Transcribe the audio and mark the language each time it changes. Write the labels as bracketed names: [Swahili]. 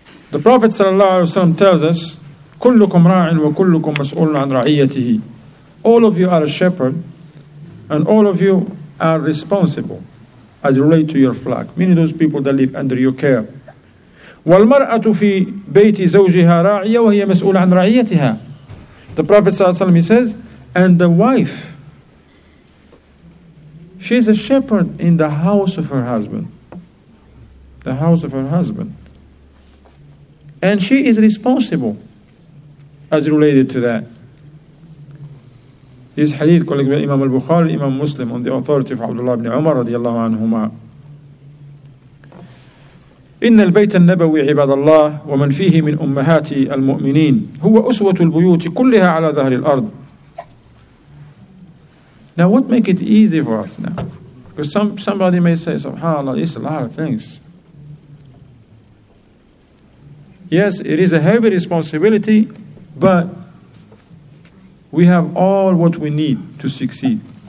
[English] The Prophet ﷺ tells us, [Arabic] كُلُّكُمْ رَاعٍ وَكُلُّكُمْ مَسْؤُولٌ عَنْ رَعِيَّتِهِ. [English] All of you are a shepherd, and all of you are responsible as you relate to your flock. Meaning those people that live under your care. [Arabic] وَالْمَرْأَةُ فِي بَيْتِ زَوْجِهَا رَاعِيَّ وَهِيَ مَسْؤُولٌ عَنْ رَعِيَّتِهَا. [English] The Prophet ﷺ, he says, and the wife, she's a shepherd in the house of her husband. The house of her husband. And she is responsible as related to that. This hadith collected by Imam al-Bukhari and Imam Muslim on the authority of Abdullah ibn Umar radiallahu anhuma. [Arabic] إن البيت النبوي عباد الله ومن فيه من أمهات المؤمنين هو أسوة البيوت كلها على ظهر الأرض. [English] Now what make it easy for us now? Because somebody may say, SubhanAllah, it's a lot of things. Yes, it is a heavy responsibility, but we have all what we need to succeed.